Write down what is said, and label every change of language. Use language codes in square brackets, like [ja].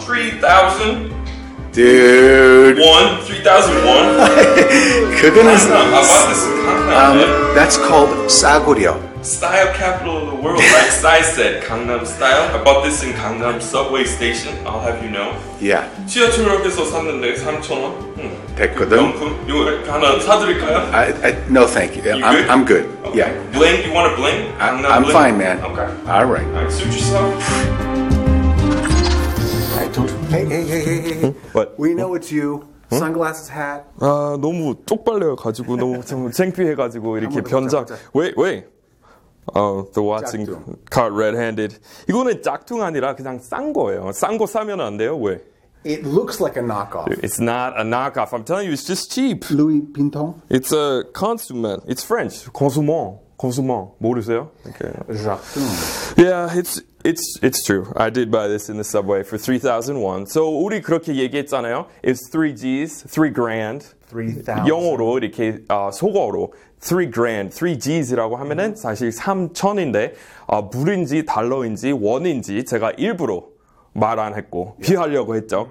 [en] 3,000. Dude. $3,000 won. Goodness. How about this? That's called Sagoryo. Style capital of the world, like Sai said, Gangnam style. I bought this in Gangnam subway station, I'll have you know. Yeah. [ko] 지하철역에서 샀는데 3,000원. 됐거든. 명품? 이거 하나 사드릴까요? [en] No, thank you. I'm good. Okay. Yeah. Bling? You want a bling? I'm fine, man. Okay. All right. All right, suit yourself. I don't... Hey. What? We know it's you. Sunglasses, hat. [ko] 아, 너무 쪽발려가지고, 너무 창피해가지고, 이렇게 변장. [en] Wait. Oh, the watch and caught red-handed. [ko] 이거는 짝퉁 아니라 그냥 싼 거예요. 싼 거 사면 안 돼요? 왜? [en] It looks like a knockoff. It's not a knockoff. I'm telling you, it's just cheap. Louis Vuitton? It's a consumer. It's French. Consumant. [ko] 모르세요? [en] Okay. Jacques. Yeah, it's true. I did buy this in the subway for 3,000 won. [ko] So 우리 그렇게 얘기했잖아요. [en] It's 3 Gs, 3 grand. 3,000. [ko] 영어로 이렇게 속어로. 3 grand, 3 G's이라고 하면은 사실 3,000인데 불인지 달러인지 원인지 제가 일부러 말 안 했고 피하려고 했죠.